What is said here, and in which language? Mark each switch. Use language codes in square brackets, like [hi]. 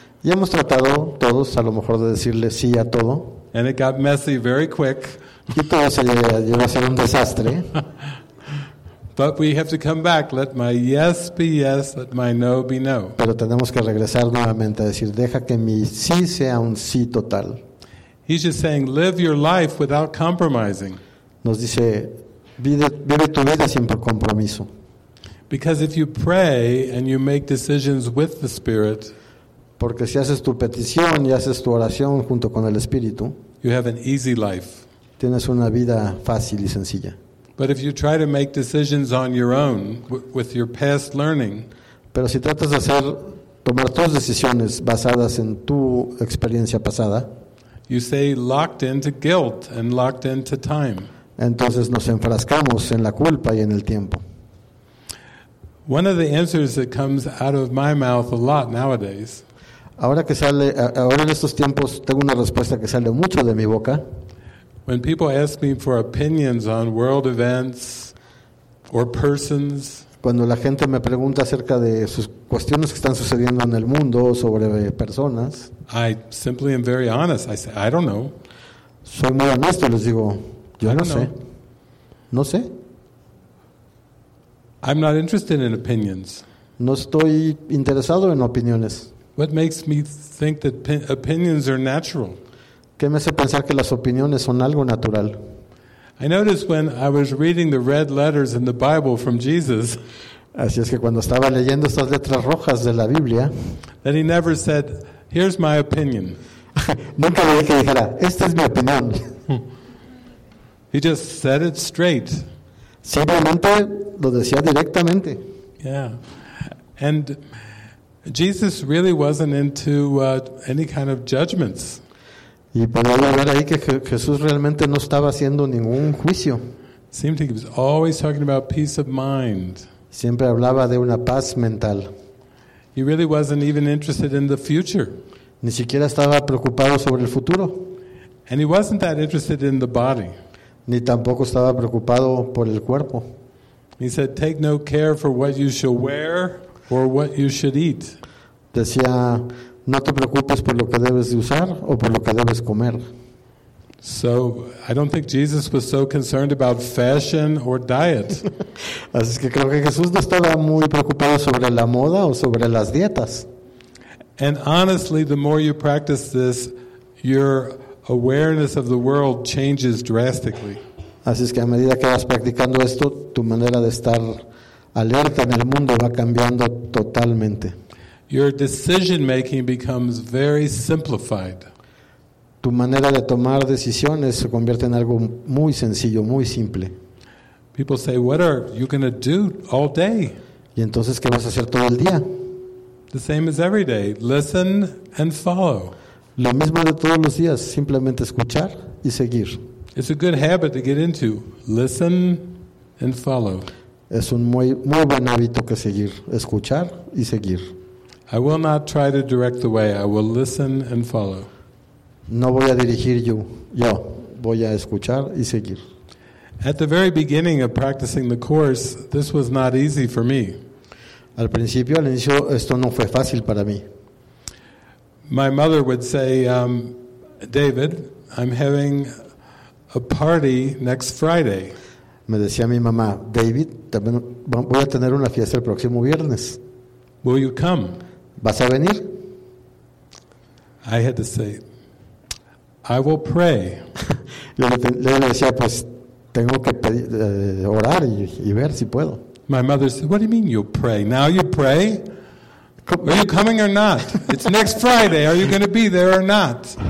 [es] Y hemos tratado todos, a lo mejor, de decirle sí a todo. [en] And it got messy very quick. [es] Y todo se llegó a ser un desastre. [en] But we have to come back. Let my yes be yes, let my no be no. [es] Pero tenemos que regresar nuevamente a decir, deja que mi sí sea un sí total. [en] He's just saying, live your life without compromising. [es] Nos dice, vive tu vida sin compromiso. [en] Because if you pray and you make decisions with the Spirit, [es] porque si haces tu petición y haces tu oración junto con el Espíritu, [en] you have an easy life. [es] Tienes una vida fácil y sencilla. [en] But if you try to make decisions on your own with your past learning, [es] pero si tratas de hacer tomar tus decisiones basadas en tu experiencia pasada, [en] you stay locked into guilt and locked into time. [es] Entonces nos enfrascamos en la culpa y en el tiempo. [en] One of the answers that comes out of my mouth a lot nowadays. [es] Ahora en estos tiempos tengo una respuesta que sale mucho de mi boca. [en] When people ask me for opinions on world events or persons. [es] Cuando la gente me pregunta acerca de sus cuestiones que están sucediendo en el mundo o sobre personas, [en] I simply am very honest. I say, I don't know. [es] Soy muy honesto, les digo, yo no sé. No sé. [en] I'm not interested in opinions. [es] No estoy interesado en opiniones. [en] What makes me think that opinions are natural? [es] ¿Qué me hace pensar que las opiniones son algo natural? [en] I noticed when I was reading the red letters in the Bible from Jesus. [es] Así es que cuando estaba leyendo estas letras rojas de la Biblia, [en] that he never said, "Here's my opinion." [es] Nunca le dije que dijera, "Esta es mi opinión." [en] He just said it straight. [es] Simplemente lo decía directamente. [en] Yeah. And Jesus really wasn't into any kind of judgments. [es] Y podemos ver ahí que Jesús realmente no estaba haciendo ningún juicio. [en] Seemed like he was always talking about peace of mind. [es] Siempre hablaba de una paz mental. [en] He really wasn't even interested in the future. [es] Ni siquiera estaba preocupado sobre el futuro. [en] And he wasn't that interested in the body. [es] Ni tampoco estaba preocupado por el cuerpo. [en] He said, "Take no care for what you shall wear or what you should eat." [es] Decía, no te preocupes por lo que debes de usar o por lo que debes comer. [en] So, I don't think Jesus was so concerned about fashion or diet. [es] Así que creo que Jesús no estaba muy preocupado sobre la moda o sobre las dietas. [en] And honestly, the more you practice this, your awareness of the world changes drastically. [es] Así es que a medida que vas practicando esto, tu manera de estar alerta en el mundo va cambiando totalmente. [en] Your decision making becomes very simplified. [es] Tu manera de tomar decisiones se convierte en algo muy sencillo, muy simple. [en] People say, "What are you going to do all day?" [es] Y entonces, ¿qué vas a hacer todo el día? [en] The same as every day, listen and follow. [es] Lo mismo de todos los días, simplemente escuchar y seguir. [en] It's a good habit to get into, listen and follow. [es] Es un muy muy buen hábito que seguir, escuchar y seguir. [en] I will not try to direct the way. I will listen and follow. [es] No voy a dirigir yo voy a escuchar y seguir. [en] At the very beginning of practicing the course, this was not easy for me. [es] Al principio, al inicio, esto no fue fácil para mí. [en] My mother would say, "David, I'm having a party next Friday. [es] Me decía mi mamá, David, también voy a tener una fiesta el próximo viernes. [en] Will you come? [es] ¿Vas a venir? [en] I had to say, I will pray. [es] Le decía, pues tengo que orar y ver si puedo. [en] My mother said, what do you mean you pray? Now you pray? Are you coming or not? It's next Friday. Are you going to be there or not?